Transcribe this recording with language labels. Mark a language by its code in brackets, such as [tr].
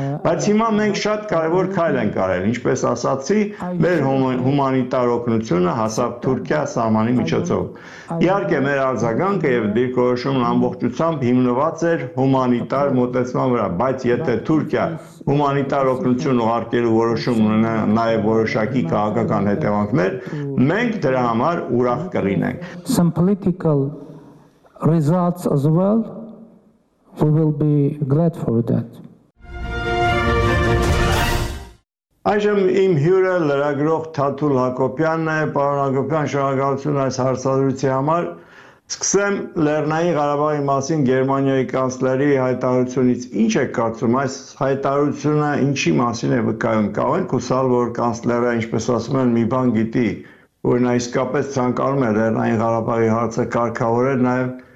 [hy] Բայց հիմա մենք շատ կարևոր քայլ ենք արել, ինչպես ասացի, մեր հումանիտար օգնությունը հասավ Թուրքիա սահմանի միջոցով։ Իհարկե, մեր արձագանքը և դիրքորոշումն ամբողջությամբ հիմնված էր հումանիտար մոտեցման վրա, բայց եթե Թուրքիա հումանիտար օգնություն ուղարկելու որոշում ունենա նաև որոշակի քաղաքական հետևանքներ, մենք դրա համար ուրախ կլինենք։ [en] Some political results as well, we will be glad for that. [hy] Այժմ իմ հյուրը լրագրող Թաթուլ Հակոբյանն է, պարոն Հակոբյան, շնորհակալություն այս հարցազրույցի համար։ Սկսեմ Լեռնային Ղարաբաղի մասին Գերմանիայի կանցլերի հայտարարությունից։ Ինչ է կարծում, այս հայտարարությունը ինչի մասին է վկայում, կարող ենք հուսալ, որ կանցլերը, ինչպես ասում են, մի բան գիտի, որ նա իսկապես ցանկանում է Լեռնային Ղարաբաղի հարցը կարգավորել նաև